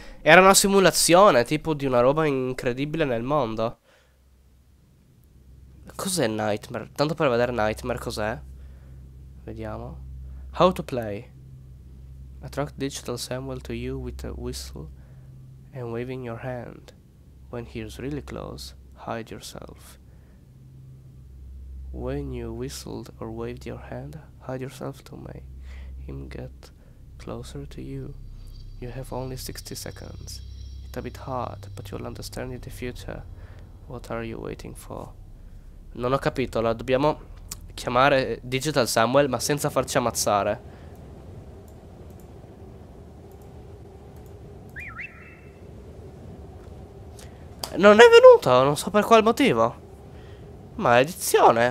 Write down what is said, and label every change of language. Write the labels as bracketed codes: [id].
[it] Era una simulazione, tipo di una roba incredibile nel mondo. Cos'è Nightmare? Tanto per vedere Nightmare cos'è. Vediamo. [en] How to play. Attract Digital Samuel to you with a whistle and waving your hand. When he is really close, hide yourself. When you whistled or waved your hand, hide yourself to make him get closer to you. You have only 60 seconds. It's a bit hard, but you'll understand in the future. What are you waiting for? [it] Non ho capito, la dobbiamo chiamare Digital Samuel ma senza farci ammazzare. Non è venuto, non so per qual motivo. Maledizione.